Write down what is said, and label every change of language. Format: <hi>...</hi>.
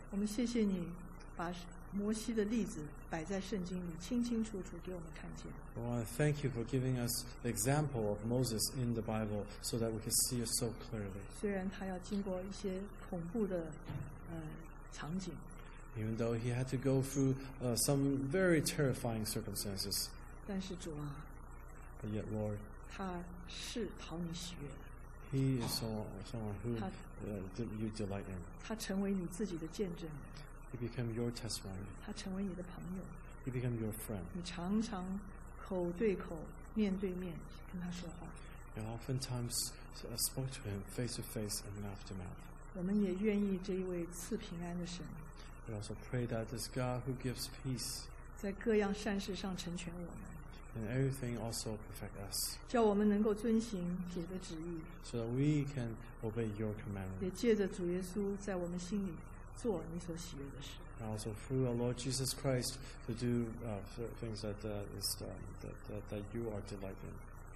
<zh>我们谢谢你把摩西的例子摆在圣经里清清楚楚给我们看见</zh> <en>I want to thank you for giving us the example of Moses in the Bible so that we can see it so clearly</en> <zh>虽然他要经过一些恐怖的场景</zh> <en>Even though he had to go through some very terrifying circumstances</en> <zh>但是主啊</zh> <en>But yet Lord</en> <zh>他是讨你喜悦的</zh> <en>He is someone who you delight in.</en> <zh>他成为你自己的见证。</zh> <en>He became your testimony.</en> <zh>他成为你的朋友。</zh> <en>He became your friend.</en> <zh>你常常口对口、面对面跟他说话。</zh> <en>And oftentimes spoke to him face to face and mouth to mouth.</en> <zh>我们也愿意这一位赐平安的神。</zh> <en>We also pray that this God who gives peace</en> <zh>在各样善事上成全我们。</zh> <en>And everything also perfect us.</en> <zh>叫我们能够遵行主的旨意。</zh> <en>So that we can obey your commandment.</en> <zh>也借着主耶稣在我们心里做你所喜悦的事。</zh> <en>And also through our Lord Jesus Christ to do things that you are delighted in.</en>